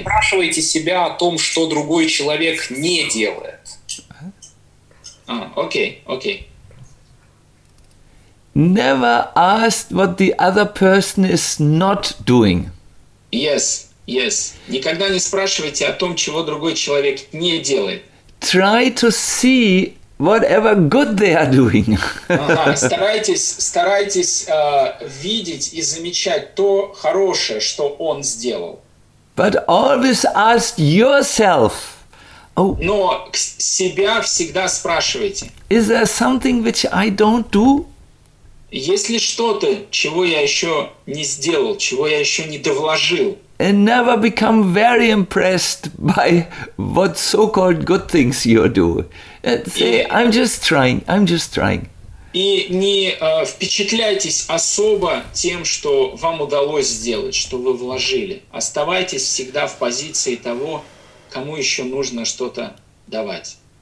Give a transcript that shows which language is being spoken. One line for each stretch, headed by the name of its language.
Russian: Спрашивайте себя о том, что другой человек не делает.
English: Okay. Never ask what the other person is not doing. Yes.
Russian: Никогда не спрашивайте о том, чего другой человек не делает.
English: Try to see whatever good they are doing.
Russian: Старайтесь видеть и замечать то хорошее, что он сделал.
English: But always ask yourself.
Russian: Но себя всегда спрашивайте.
English: Is there something which I don't do?
Russian: Есть ли что-то, чего я еще не сделал, чего я еще не довложил?
English: And never become very impressed by what so-called good things you do. Say, I'm just trying.
Russian: И не впечатляйтесь особо тем, что вам удалось сделать, что вы вложили. Оставайтесь всегда в позиции того, кому еще нужно что-то давать.